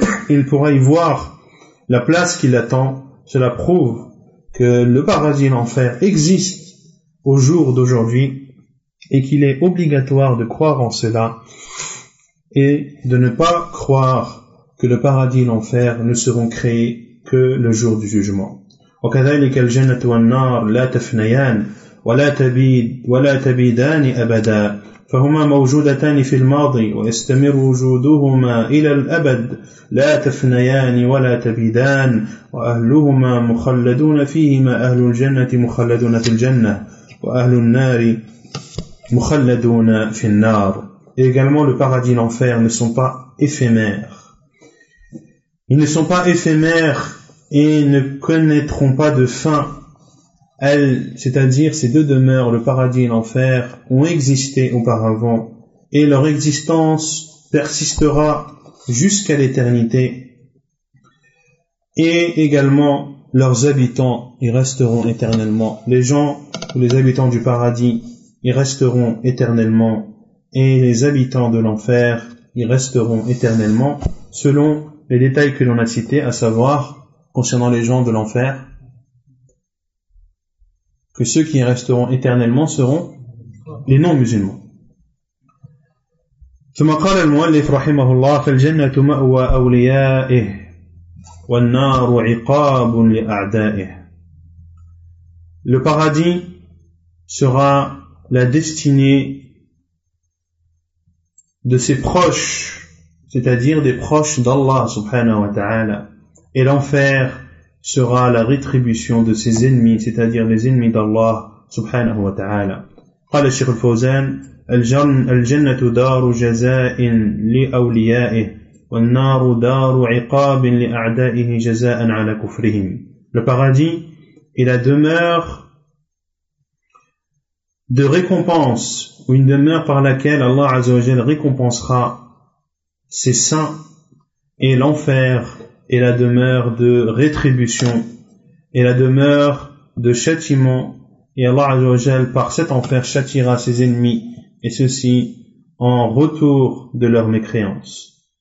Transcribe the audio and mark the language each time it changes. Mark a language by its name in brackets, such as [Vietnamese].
[French] Il pourra y voir la place qui l'attend. Cela prouve que le paradis et l'enfer existent au jour d'aujourd'hui, et qu'il est obligatoire de croire en cela, et de ne pas croire que le paradis et l'enfer ne seront créés que le jour du jugement. [Arabic] وكذلك الجنة والنار لا تفنيان ولا تبيدان أبدا فهما موجودتان في الماضي ويستمر وجودهما إلى الأبد لا تفنيان ولا تبيدان وأهلهما مخلدون فيهما أهل الجنة مخلدون في الجنة وأهل النار مخلدون في النار. [French] Et également le paradis et l'enfer ne sont pas éphémères. Ils ne sont pas éphémères et ne connaîtront pas de fin. Elles, c'est-à-dire ces deux demeures, le paradis et l'enfer, ont existé auparavant, et leur existence persistera jusqu'à l'éternité. Et également leurs habitants y resteront éternellement. Les gens ou les habitants du paradis y resteront éternellement. Et les habitants de l'enfer y resteront éternellement, selon les détails que l'on a cités, à savoir, concernant les gens de l'enfer, que ceux qui y resteront éternellement seront les non-musulmans. [Arabic] ثم قال المؤلف رحمه الله فالجنة مأوى أوليائه والنار عقاب لأعدائه. [French] Le paradis sera la destinée de ses proches, c'est-à-dire des proches d'Allah subhanahu wa ta'ala, et l'enfer sera la rétribution de ses ennemis, c'est-à-dire les ennemis d'Allah subhanahu wa ta'ala. [Arabic] قال الشيخ الفوزان الجنة دار جزاء لأوليائه والنار دار عقاب لأعدائه جزاء على كفرهم. [French] Le paradis est la demeure de récompense, ou une demeure par laquelle Allah Azza wa Jal récompensera ses saints, et l'enfer est la demeure de rétribution et la demeure de châtiment, et Allah Azza wa Jal par cet enfer châtiera ses ennemis, et ceci en retour de leur mécréance.